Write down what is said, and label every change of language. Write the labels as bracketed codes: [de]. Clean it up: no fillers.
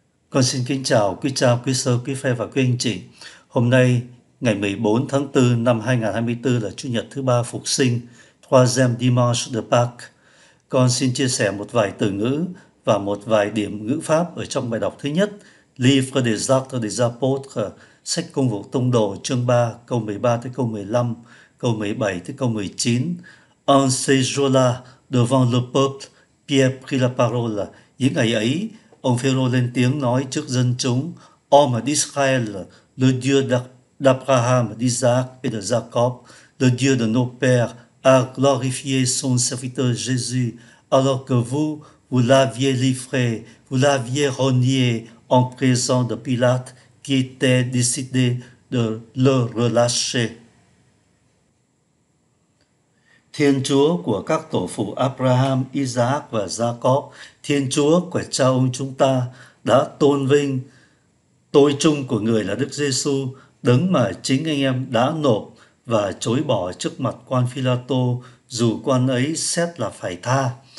[vi] Con xin kính chào quý cha, quý sơ, quý phê và quý anh chị. Hôm nay, ngày 14 tháng 4 năm 2024 là Chủ nhật thứ ba Phục sinh, [fr] Troisième Dimanche de Pâques. [vi] Con xin chia sẻ một vài từ ngữ và một vài điểm ngữ pháp ở trong bài đọc thứ nhất, [fr] Livre des Actes des Apôtres, [vi] sách Công vụ Tông đồ, chương 3, câu 13 tới câu 15, câu 17 tới câu 19. [fr] En ces jours-là, devant le peuple, Pierre prit la parole. [vi] Những ngày ấy, ông Phêrô lên tiếng nói trước dân chúng: [fr] Homme d'Israël, le Dieu d'Abraham, d'Isaac et de Jacob, le Dieu de nos pères, a glorifié son serviteur Jésus, alors que vous, vous l'aviez livré, vous l'aviez renié en présence de Pilate, qui était décidé de le relâcher. [vi] Thiên Chúa của các tổ phụ Abraham, Isaac và Jacob, Thiên Chúa của cha ông chúng ta đã tôn vinh tôi trung của người là Đức Giêsu, đấng mà chính anh em đã nộp và chối bỏ trước mặt quan Phi-la-tô, dù quan ấy xét là phải tha.